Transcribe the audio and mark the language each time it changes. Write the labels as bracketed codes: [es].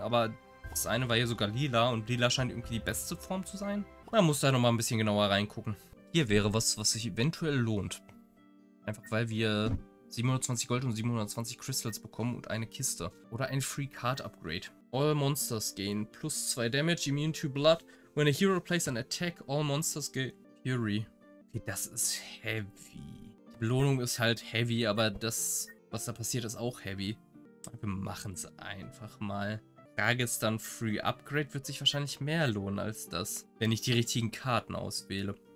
[de] Aber das eine war ja sogar lila und lila scheint irgendwie die beste Form zu sein. Man muss da nochmal ein bisschen genauer reingucken. Hier wäre was, was sich eventuell lohnt. Einfach weil wir 720 Gold und 720 Crystals bekommen und eine Kiste. Oder ein [en] Free Card Upgrade. All Monsters gain plus 2 Damage, immune to Blood. When a hero plays an attack, all Monsters gain Fury. [de] Okay, das ist heavy. Die Belohnung ist halt heavy, aber das, was da passiert, ist auch heavy. Wir machen es einfach mal. Frage ist dann, Free Upgrade wird sich wahrscheinlich mehr lohnen als das, wenn ich die richtigen Karten auswähle.